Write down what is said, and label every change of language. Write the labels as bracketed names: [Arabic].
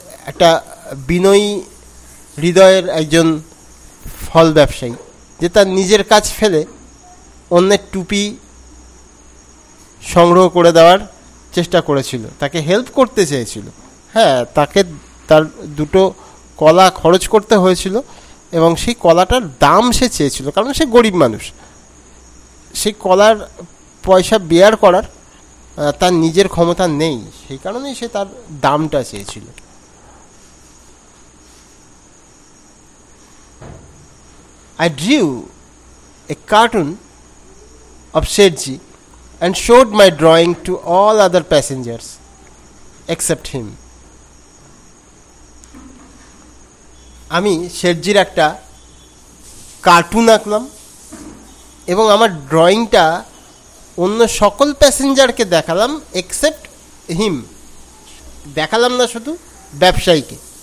[Bangla] একটা বিনয়ী হৃদয়ের একজন ফল ব্যবসায়ী যে তার নিজের কাজ ফেলে অন্যের টুপি সংগ্রহ করে দেওয়ার চেষ্টা করেছিল, তাকে হেল্প করতে চেয়েছিল, হ্যাঁ তাকে তার দুটো কলা খরচ করতে হয়েছিল এবং সেই কলাটার দাম সে চেয়েছিল কারণ সে গরিব মানুষ, সেই কলার পয়সা বেয়ার করার তার নিজের ক্ষমতা নেই, সেই কারণেই সে তার দামটা চেয়েছিল। [English] I drew a cartoon of Shetji and showed my drawing to all other passengers except him. [Bangla] আমি শেটজির একটা কার্টুন আঁকলাম এবং আমার ড্রয়িংটা অন্য সকল প্যাসেঞ্জারকে দেখালাম [English] except him, [Bangla] দেখালাম না শুধু ব্যবসায়ীকে।